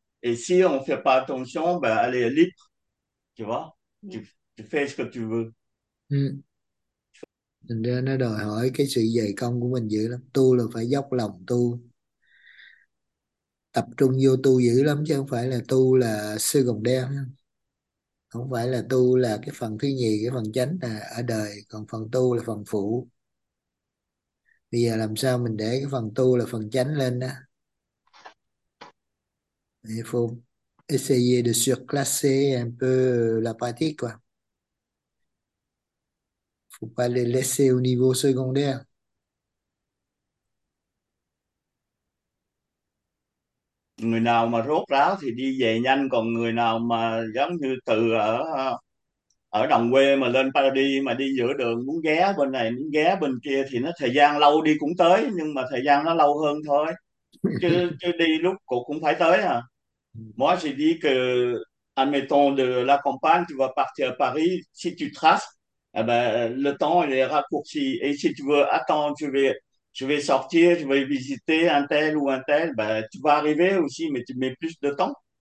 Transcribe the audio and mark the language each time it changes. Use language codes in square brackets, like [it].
[fr] Et si on ne fait pas attention, ben, elle est libre. Tu vois? Tu fais ce que tu veux. [vi] Thành ra nó đòi hỏi cái sự dày công của mình dữ lắm. Tu là phải dốc lòng tu, tập trung vô tu dữ lắm, chứ không phải là tu là sư gồng đen, không phải là tu là cái phần thứ nhì, cái phần chánh là ở đời, còn phần tu là phần phụ. Bây giờ làm sao mình để cái phần tu là phần chánh lên đó? [fr] Il faut essayer de surclasser un peu la pratique quoi. Faut pas les laisser au niveau secondaire. [vi] Người nào mà rốt ráo thì đi về nhanh, còn người nào mà giống như từ ở ở đồng quê mà lên Paradis mà đi giữa đường, muốn ghé bên này muốn ghé bên kia thì nó thời gian lâu đi cũng tới, nhưng mà thời gian nó lâu hơn thôi, chứ đi lúc cũng phải tới à. [fr] Moi j'ai dit que admettons de la campagne tu vas partir à Paris, si tu traces eh ben, le temps il est raccourci, et si tu veux attendre je vais sortir, je vais visiter un tel ou un tel, ben, tu vas arriver aussi, mais tu mets plus de temps.